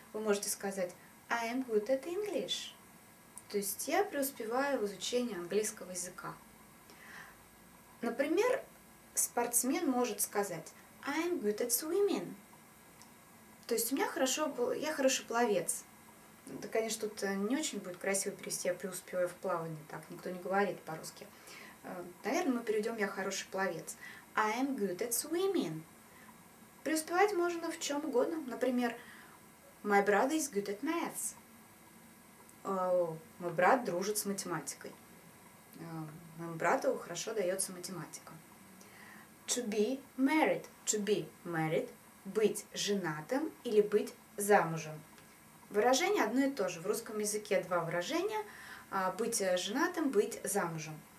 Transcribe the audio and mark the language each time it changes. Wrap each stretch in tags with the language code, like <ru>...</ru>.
<ru>Вы можете сказать</ru> <en>«I'm good at English».</en> <ru>То есть я преуспеваю в изучении английского языка. Например, спортсмен может сказать</ru> <en>«I'm good at swimming».</en> <ru>То есть у меня хорошо, я хороший пловец. Да, конечно, тут не очень будет красиво перевести, я преуспеваю в плавании, так никто не говорит по-русски. Наверное, мы перейдем «я хороший пловец».</ru> <en>I'm good at swimming.</en> <ru>Преуспевать можно в чем угодно. Например,</ru> <en>my brother is good at maths.</en> <ru>Мой брат дружит с математикой. Моему брату хорошо дается математика.</ru> <en>To be married. To be married.</en> <ru>Быть женатым или быть замужем. Выражение одно и то же. В русском языке два выражения. Быть женатым, быть замужем.</ru>